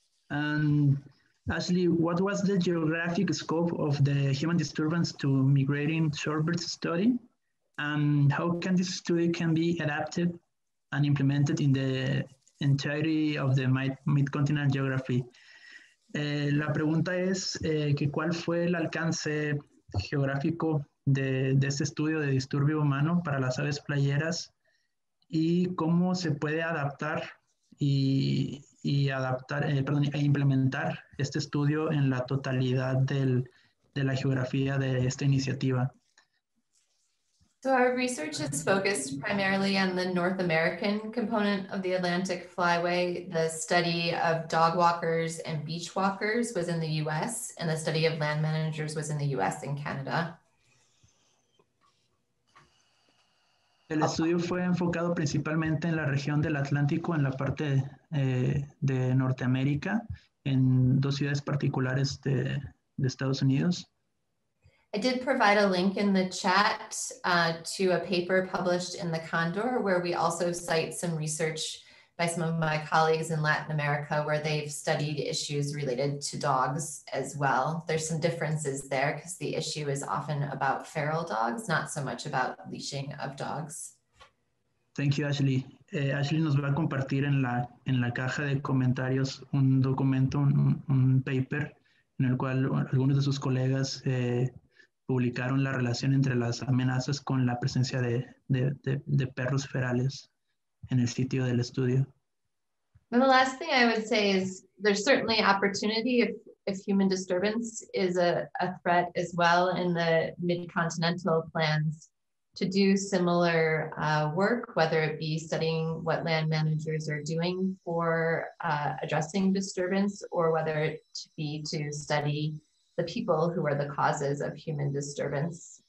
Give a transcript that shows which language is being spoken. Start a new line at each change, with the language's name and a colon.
English: And Ashley, what was the geographic scope of the human disturbance to migrating shorebirds study? And how can this study can be adapted and implemented in the entirety of the mid-continent geography?
Spanish: La pregunta es que cuál fue el alcance geográfico de este estudio de disturbio humano para las aves playeras y cómo se puede adaptar e implementar este estudio en la totalidad de la geografía de esta iniciativa.
English: So our research is focused primarily on the North American component of the Atlantic Flyway. The study of dog walkers and beach walkers was in the US, and the study of land managers was in the US and Canada.
Spanish: El estudio fue enfocado principalmente en la región del Atlántico, en la parte de Norteamérica, en dos ciudades particulares de Estados Unidos.
English: I did provide a link in the chat to a paper published in the Condor, where we also cite some research by some of my colleagues in Latin America, where they've studied issues related to dogs as well. There's some differences there because the issue is often about feral dogs, not so much about leashing of dogs. Thank you, Ashley.
Spanish: Ashley nos va a compartir en la caja de comentarios un documento, un paper, en el cual algunos de sus colegas publicaron la relación entre las amenazas con la presencia de perros ferales en el sitio del estudio.
English: And the last thing I would say is there's certainly opportunity if human disturbance is a threat as well in the mid-continental plans to do similar work, whether it be studying what land managers are doing for addressing disturbance or whether it be to study the people who are the causes of human disturbance.